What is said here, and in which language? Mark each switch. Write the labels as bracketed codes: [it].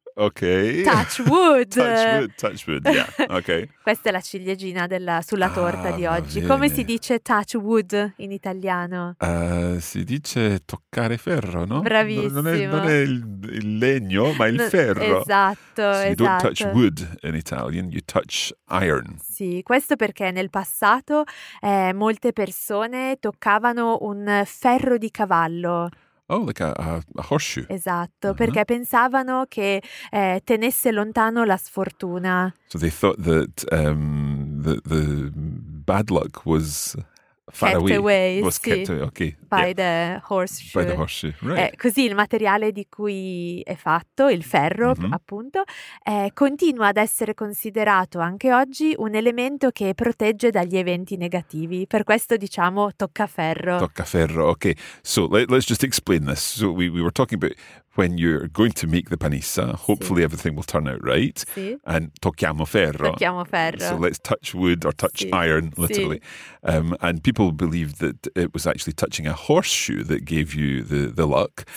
[en] Ok. Touch wood, yeah, ok. [it] Questa è la ciliegina sulla torta di oggi. Come si dice [en] touch wood [it] in italiano? Si dice toccare ferro, no? Bravissimo. Non è il legno, ma il ferro. Esatto, [en] so [it] esatto. [en] You don't touch wood in Italian, you touch iron. [it] Sì, questo perché nel passato molte persone toccavano un ferro di cavallo. [en] Oh, like a horseshoe. [it] Esatto, uh-huh. Perché pensavano che tenesse lontano la sfortuna. [en] So they thought that the bad luck was far kept away. Was sì. Kept away, okay. By yeah. the horseshoe. By the horseshoe, right. [it] Così il materiale di cui è fatto, il ferro, mm-hmm. appunto, continua ad essere considerato anche oggi un elemento che protegge dagli eventi negativi. Per questo diciamo toccaferro. Toccaferro, okay. [en] So let's just explain this. So we were talking about when you're going to make the panissa, hopefully [it] sì. [en] everything will turn out right. [it] Sì. [en] And [it] tocchiamo ferro. Tocchiamo ferro. [en] So let's touch wood or touch [it] sì. [en] iron, literally. [it] Sì. [en] And people believed that it was actually touching a horseshoe that gave you the luck,